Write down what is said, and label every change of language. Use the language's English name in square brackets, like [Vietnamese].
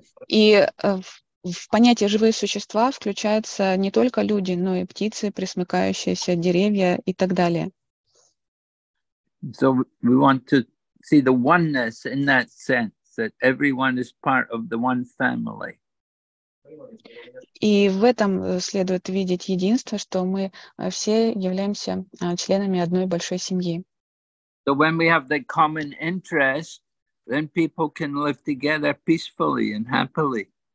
[Russian] И в понятие живые существа включаются не только люди, но и птицы, пресмыкающиеся, деревья и так далее. [English] So we want to see the oneness in that sense. That everyone is part of the one family. [Russian] И в этом следует видеть единство, что мы все являемся членами одной большой семьи. [English] So when we have the common interest, then people can live together peacefully and happily.